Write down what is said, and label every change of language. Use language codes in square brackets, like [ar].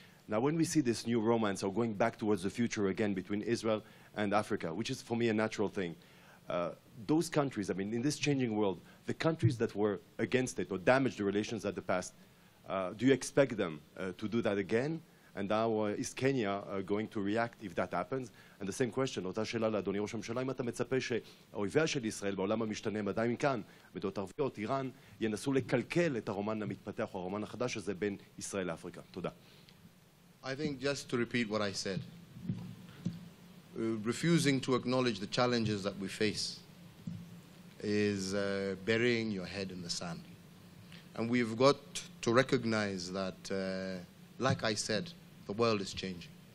[en] Now, when we see this new romance or going back towards the future again between Israel and Africa, which is for me a natural thing, those countries, I mean, in this changing world, the countries that were against it or damaged the relations at the past, do you expect them to do that again? And now is Kenya going to react if that happens? [he] And the same question, אותה שאלה לאדוני ראש הממשלה, אם אתה מצפה שהאויביה של ישראל בעולם המשתנה מדיים כאן, מדעות ערביות, איראן, ינסו לקלקל את הרומן המתפתח או הרומן החדש הזה בין ישראל לאפריקה. תודה. [en] I think just to repeat what I said, refusing to acknowledge the challenges that we face is burying your head in the sand. And we've got to recognize that, like I said, the world is changing.